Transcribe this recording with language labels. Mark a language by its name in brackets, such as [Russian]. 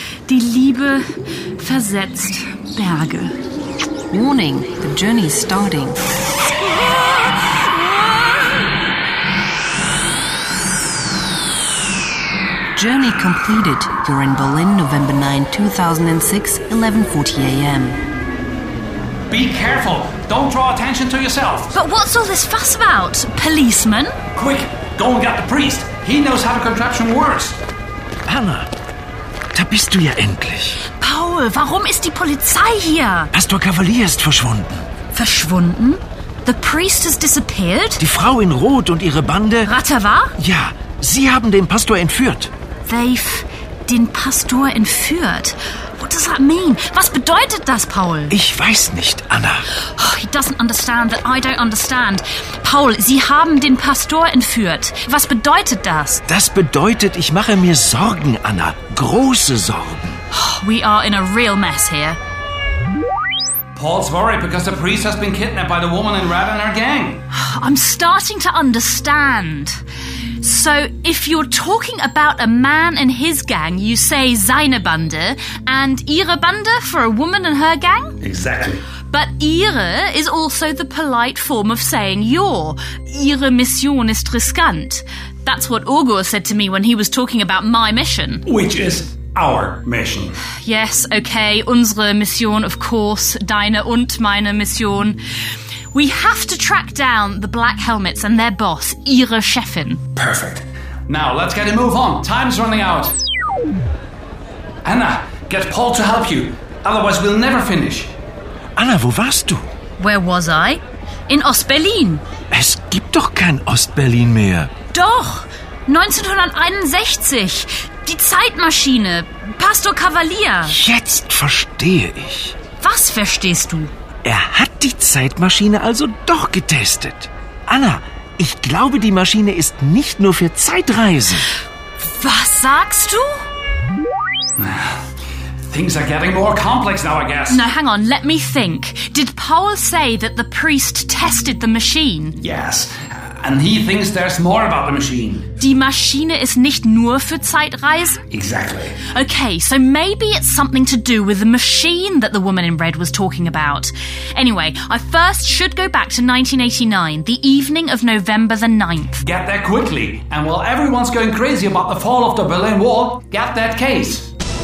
[German] Die Liebe versetzt Berge. [English] Warning, the journey is starting. Journey completed. You're in Berlin, November 9, 2006, 11:40 a.m. Be careful. Don't draw attention to yourself. But what's all this fuss about, policeman? Quick. Go and get the priest. He knows how the contraption works. [German] Anna, da bist du ja endlich. Paul, warum ist die Polizei hier? Pastor Cavalier ist verschwunden. Verschwunden? [English] The priest has disappeared? [German] Die Frau in Rot und ihre Bande... Ratava? Ja, sie haben den Pastor entführt. [English] They've [German] den Pastor entführt? [English] What does that mean? [German] Was bedeutet das, Paul? Ich weiß nicht, Anna. [English] Oh, he doesn't understand that I don't understand. [German] Paul, Sie haben den Pastor entführt. Was bedeutet das? Das bedeutet, ich mache mir Sorgen, Anna. Große Sorgen. [English] We are in a real mess here. Paul's worried because the priest has been kidnapped by the woman in red and her gang. I'm starting to understand. So, if you're talking about a man and his gang, you say [German] seine Bande [English] and [German] ihre Bande [English] for a woman and her gang? Exactly. But ihre is also the polite form of saying your. [German] Ihre Mission ist riskant. [English] That's what Ogur said to me when he was talking about my mission. Which is our mission. Yes, okay, [German] unsere Mission, [English] of course, [German] deine und meine Mission. [English] We have to track down the Black Helmets and their boss, [German] ihre Chefin. [English] Perfect. Now, let's get a move on. Time's running out. Anna, get Paul to help you. Otherwise, we'll never finish. [German] Anna, wo warst du? [English] Where was I? In Ost-Berlin. [German] Es gibt doch kein Ost-Berlin mehr. Doch, 1961. Die Zeitmaschine. Pastor Cavalier. Jetzt verstehe ich. Was verstehst du? Er hat die Zeitmaschine also doch getestet. Anna, ich glaube, die Maschine ist nicht nur für Zeitreisen. Was sagst du? [English] Things are getting more complex now, I guess. Now, hang on, let me think. Did Paul say that the priest tested the machine? Yes, and he thinks there's more about the machine. [German] Die Maschine ist nicht nur für Zeitreisen? [English] Exactly. Okay, so maybe it's something to do with the machine that the woman in red was talking about. Anyway, I first should go back to 1989, the evening of November the 9th. Get there quickly, and while everyone's going crazy about the fall of the Berlin Wall, get that case.